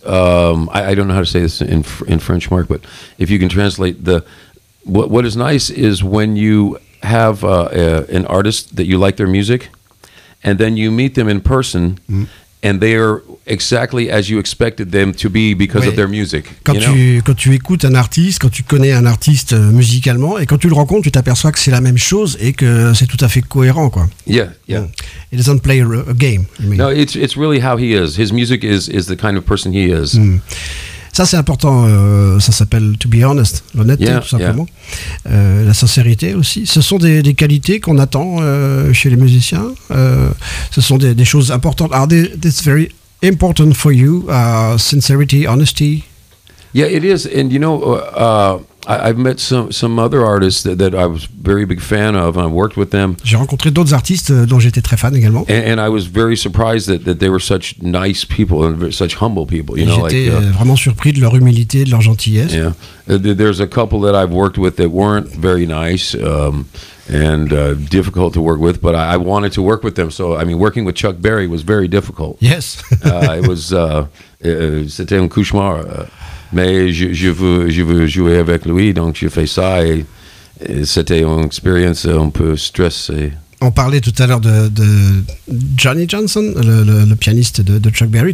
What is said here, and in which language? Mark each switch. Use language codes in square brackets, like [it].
[en] I don't know how to say this in French, Mark, but if you can translate what is nice is when you have an artist that you like their music, and then you meet them in person, and they are exactly as you expected them to be because of their music. [fr] Quand tu écoutes un artiste, quand tu connais un artiste musicalement, et quand tu le rencontres, tu t'aperçois que c'est la même chose et que c'est tout à fait cohérent, quoi. [en] Yeah, yeah. It doesn't play a game. No, it's really how he is. His music is the kind of person he is. [fr] Mm. Ça, c'est important. Ça s'appelle [en] to be honest, [fr] l'honnêteté, [en] yeah, [fr] tout simplement. [en] Yeah. [fr] La sincérité aussi. Ce sont des qualités qu'on attend chez les musiciens. Ce sont des choses importantes. [en] Are this very important for you, sincerity, honesty? Yeah, it is. And you know, I've met some other artists that I was very big fan of. I've worked with them. [fr] J'ai rencontré d'autres artistes dont j'étais très fan également. [en] And I was very surprised that they were such nice people and such humble people. You know, [fr] j'étais [en] like, [fr] vraiment surpris de leur humilité, de leur gentillesse. [en] Yeah, there's a couple that I've worked with that weren't very nice and difficult to work with, but I wanted to work with them. So I mean, working with Chuck Berry was very difficult. Yes, it was. [fr] C'était un cauchemar. Mais je veux jouer avec lui, donc j'ai fait ça et c'était une expérience un peu stressée. On parlait tout à l'heure de Johnny Johnson, le pianiste de Chuck Berry.